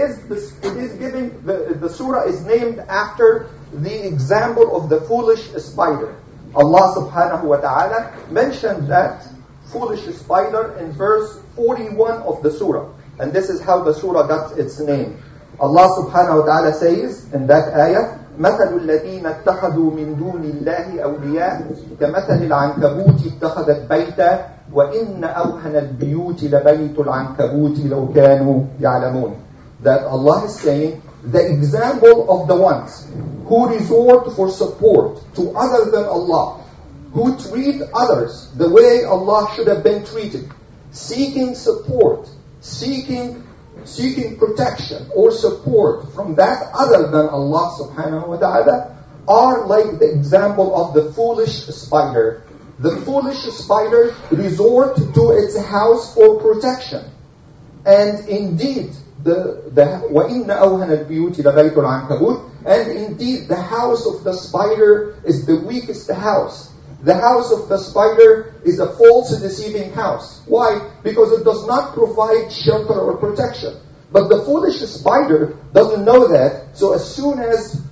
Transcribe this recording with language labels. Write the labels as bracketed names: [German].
[English] The surah is named after the example of the foolish spider. Allah subhanahu wa ta'ala mentioned that foolish spider in verse 41 of the surah. And this is how the surah got its name. Allah subhanahu wa ta'ala says in that ayah, [Arabic] مَثَلُ الَّذِينَ اتَّخَذُوا مِن دُونِ اللَّهِ أَوْلِيَاءُ كَمَثَلِ الْعَنْكَبُوتِ اتَّخَذَتْ بَيْتًا وَإِنَّ أَوْهَنَ الْبِيُوتِ لَبَيْتُ الْعَنْكَبُوتِ لَوْ كَانُوا يَعْلَمُونَ. [English] That Allah is saying, the example of the ones who resort for support to other than Allah, who treat others the way Allah should have been treated, seeking support, seeking protection or support from that other than Allah subhanahu wa ta'ala, are like the example of the foolish spider. The foolish spider resort to its house for protection. And indeed, the [Arabic] وَإِنَّ أَوْهَنَ الْبِيُوتِ لَبَيْتُ الْعَنْكَبُوتِ. [English] And indeed, the house of the spider is the weakest house. The house of the spider is a false deceiving house. Why? Because it does not provide shelter or protection. But the foolish spider doesn't know that. So as soon as